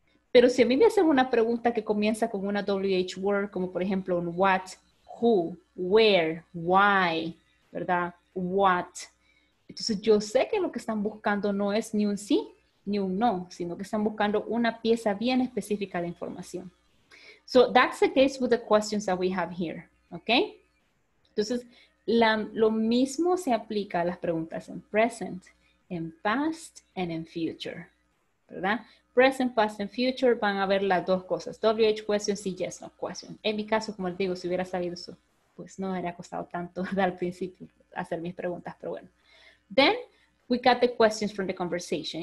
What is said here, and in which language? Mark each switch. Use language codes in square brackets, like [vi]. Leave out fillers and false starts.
[es] Pero si a mí me hacen una pregunta que comienza con una WH word, como por ejemplo un what, who, where, why, ¿verdad? What. Entonces yo sé que lo que están buscando no es ni un sí ni un no, sino que están buscando una pieza bien específica de información. [en] So that's the case with the questions that we have here, ¿ok? [es] Entonces lo mismo se aplica a las preguntas en present, en past and in future, ¿verdad? Present, past, and future van a ver las dos cosas. WH questions y yes, no questions. En mi caso, como les digo, si hubiera sabido eso, pues no hubiera costado tanto al principio hacer mis preguntas, pero bueno. [en] Then, we got the questions from the conversation.